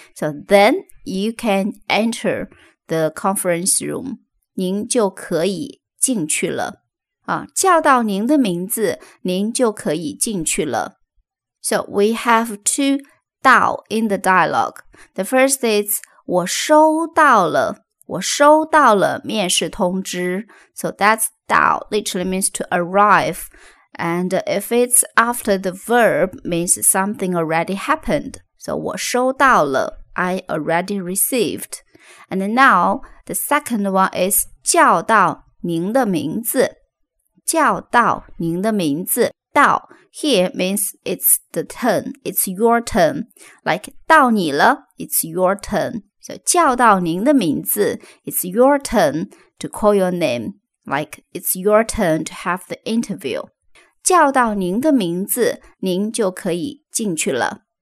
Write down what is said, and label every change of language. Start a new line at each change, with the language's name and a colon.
English: So then you can enter the conference room.
Chinese: 您就可以进去了。叫到您的名字，您就可以进去了。
English: So we have two到 in the dialogue. The first is,
Chinese: 我收到了，我收到了面试通知。
English: So that's 到 literally means to arrive And if it's after the verb, means something already happened. So
Chinese: 我收到了
English: I already received. And now, the second one is
Chinese: 叫到您的名字。叫到您的名字。
English: 到 here means it's the turn, it's your turn. Like
Chinese: 到你了
English: it's your turn. So
Chinese: 叫到您的名字
English: it's your turn to call your name. Like it's your turn to have the interview.
Chinese: 叫到您的名字您就可以进去了。